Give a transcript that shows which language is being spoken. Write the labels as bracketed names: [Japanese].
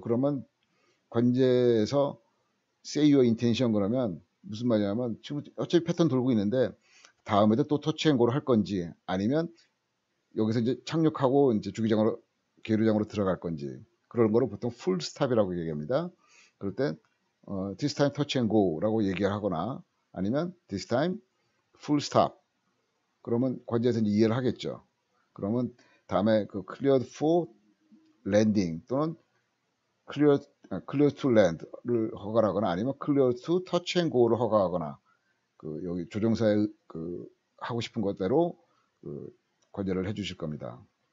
[Korean] 그러면, 관제에서, [English] say your intention, [Korean] 그러면, 무슨 말이냐면, 지금 어차피 패턴 돌고 있는데, 다음에도 또 터치 앤 고를 할 건지, 아니면, 여기서 이제 착륙하고, 이제 주기장으로, 계류장으로 들어갈 건지, 그런 거를 보통 풀 스탑이라고 얘기합니다. [English] 그럴 땐, this time touch and go라고 [Korean] 얘기를 하거나, 아니면, [English] this time, full stop. [Korean] 그러면 관제에서 이해를 하겠죠. 그러면 다음에 그 [English] cleared for landing [Korean] 또는 [English] clear to land [Korean] 를 허가하거나 아니면 [English] clear to touch and go [Korean] 를 허가하거나 그 여기 조종사의 그 하고 싶은 것대로 그 관제를 해주실 겁니다.